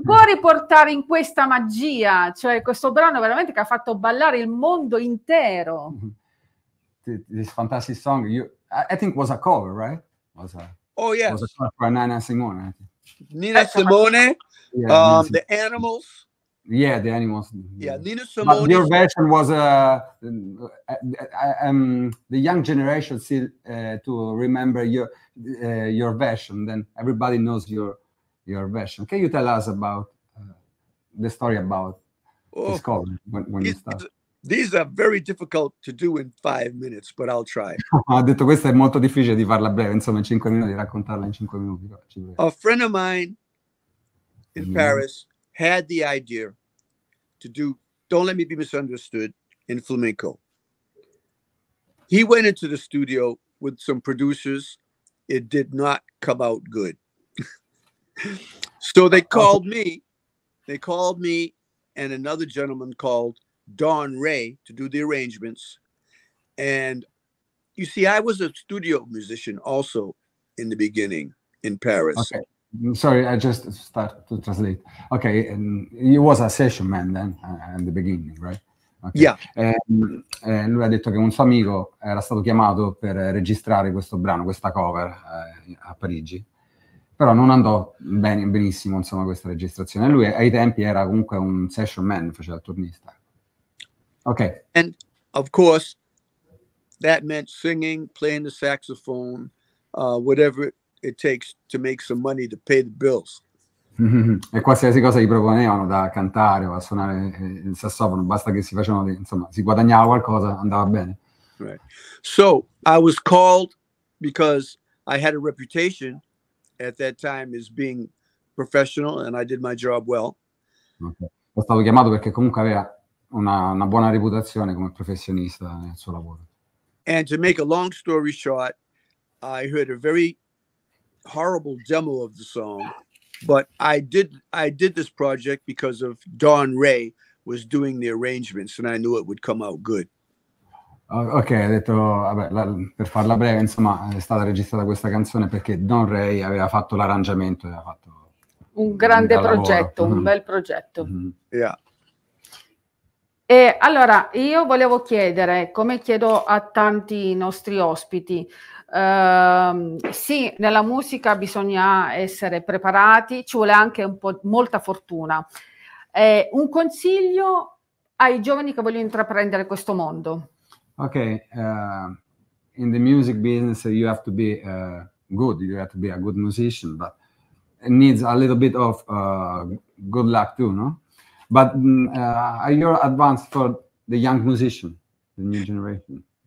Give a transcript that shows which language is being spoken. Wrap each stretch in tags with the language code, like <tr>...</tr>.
<it>può riportare in questa magia, cioè questo brano veramente che ha fatto ballare il mondo intero.</it> <en>This fantastic song, you, I think was a cover, right? Was a... Oh yes, for Nina Simone. Nina Simone, yeah, the Animals. Yeah, the Animals. Yeah, Nina Simone. But your version was the young generation still to remember your version. Then everybody knows your version. Can you tell us about the story about this cover when you start? These are very difficult to do in 5 minutes, but I'll try.</en> <it>Ha detto questo è molto difficile di farla breve, insomma, in 5 minuti, di raccontarla in 5 minuti.</it> <en>A friend of mine in Paris had the idea to do Don't Let Me Be Misunderstood in flamenco. He went into the studio with some producers. It did not come out good. So they called me. They called me and another gentleman called Don Ray to do the arrangements. And you see, I was a studio musician also in the beginning in Paris. Okay. Sorry, I just start to translate. Okay, and he was a session man then in the beginning, right? Okay. Yeah.</en> <it>Lui ha detto che un suo amico era stato chiamato per registrare questo brano, questa cover a Parigi. però non andò benissimo, insomma, questa registrazione. Lui ai tempi era comunque un session man, faceva il turnista. Ok.</it> <en>And of course that meant singing, playing the saxophone, whatever it takes to make some money to pay the bills.</en> <it>E qualsiasi cosa gli proponevano, da cantare o a suonare il sassofono, basta che si facevano, insomma, si guadagnava qualcosa, andava bene.</it> <en>Right. So I was called because I had a reputation at that time as being professional and I did my job well. Okay.</en> <it>È stato chiamato perché comunque aveva una buona reputazione come professionista nel suo lavoro.</it> <en>And to make a long story short, I heard a very horrible demo of the song. But I did this project because of Don Ray was doing the arrangements and I knew it would come out good.</en> <it>Ok, ha detto, vabbè, per farla breve, insomma, è stata registrata questa canzone perché Don Ray aveva fatto l'arrangiamento, aveva fatto un grande progetto, un bel progetto.</it> <en>Mm-hmm. Yeah.</en> <it>E allora io volevo chiedere, come chiedo a tanti nostri ospiti, sì, nella musica bisogna essere preparati, ci vuole anche un po' molta fortuna. Un consiglio ai giovani che vogliono intraprendere questo mondo?</it> <en>Ok, in the music business you have to be good, you have to be a good musician, but it needs a little bit of good luck too, no? But are you advanced for the young musician, the new generation?</en>